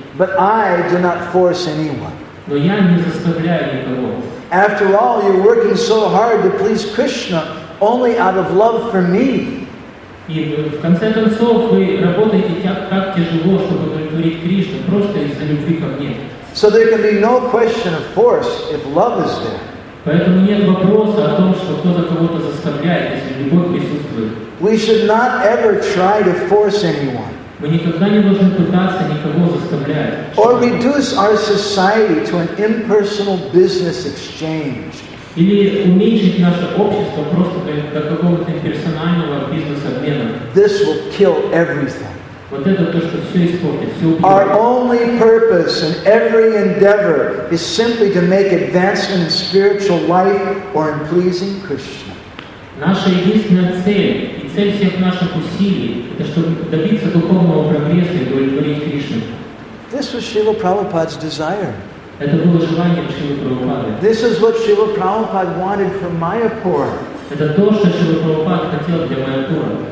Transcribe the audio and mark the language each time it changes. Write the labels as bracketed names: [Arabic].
[English] But I do not force anyone. [Russian] Но я не заставляю никого. [English] After all, you're working so hard to please Krishna only out of love for me. [Russian] И в конце концов вы работаете так тяжело, чтобы удовлетворить Кришну просто из-за любви ко мне. [English] So there can be no question of force if love is there. [Russian] Поэтому нет вопроса о том, что кто-то кого-то заставляет, если любовь присутствует. [English] We should not ever try to force anyone. [Russian] Мы никогда не должны пытаться никого заставлять. [English] Or reduce our society to an impersonal business exchange. [Russian] Или уменьшить наше общество просто до какого-то персонального бизнес-обмена. [English] This will kill everything. [Russian] Вот это то, что все испортит, все убьет. [English] Our only purpose in every endeavor is simply to make advancement in spiritual life or in pleasing Krishna. [Russian] Наша единственная цель и цель всех наших усилий это чтобы добиться духовного прогресса и удовлетворить Кришну. [English] This was Srila Prabhupada's desire. [Russian] Это было желание Шрилы Прабхупады. [English] This is what Srila Prabhupada wanted for Mayapur. [Russian] Это то, что Шрила Прабхупада хотел для Майяпура.